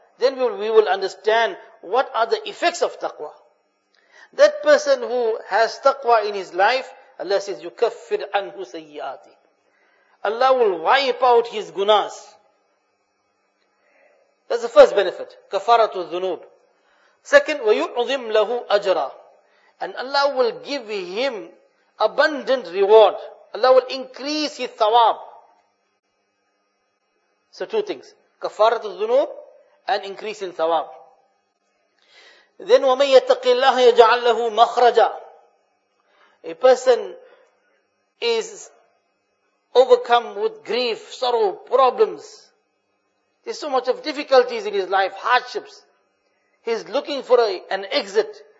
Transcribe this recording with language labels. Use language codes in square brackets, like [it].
[en] Then we will understand what are the effects of taqwa. That person who has taqwa in his life, Allah says, [ar] يُكَفِّرْ عَنْهُ سَيِّئَاتِ. [en] Allah will wipe out his gunas. That's the first benefit. [ar] كَفَارَةُ الذُّنُوبِ. Second, وَيُعْظِمْ لَهُ أَجْرًا. [en] And Allah will give him abundant reward. Allah will increase his thawab. So two things. [ar] كَفَارَةُ الذُّنُوبِ [en] and increase in thawab. [ar] Then, وَمَنْ يَتَّقِ اللَّهَ يَجْعَلْ لَهُ مَخْرَجًا. [en] A person is overcome with grief, sorrow, problems. There's so much of difficulties in his life, hardships. He's looking for an exit.